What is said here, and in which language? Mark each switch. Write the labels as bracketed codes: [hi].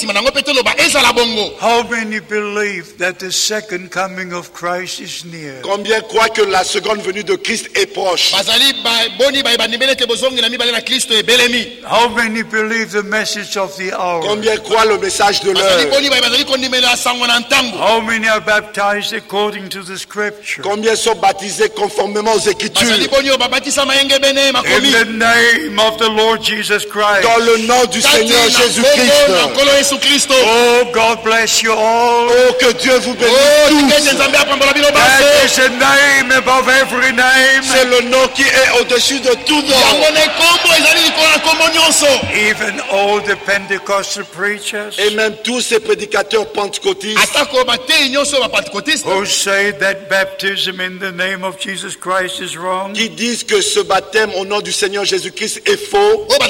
[en] How many believe that the second coming of Christ is near? [fr] Combien croient que la seconde venue de Christ est proche? [en] How many believe the message of the hour? [fr] Combien croient le message de l'heure? [en] How many are baptized according to the Scripture. [fr] Combien sont baptisés conformément aux Écritures? [en] In the name of the Lord Jesus Christ. [fr] Dans le nom du Seigneur Jésus-Christ. [en] Oh, God bless you all. [fr] Oh, que Dieu vous bénisse tous. [en] That is the name above every name. [fr] C'est le nom qui est au-dessus de tout nom. [en] Even all the Pentecostal preachers. [fr] Et même tous ces prédicateurs pentecôtistes. [en] Who say that baptism in the name of Jesus Christ is wrong. [fr] Qui disent que ce baptême au nom du Seigneur Jésus Christ est faux.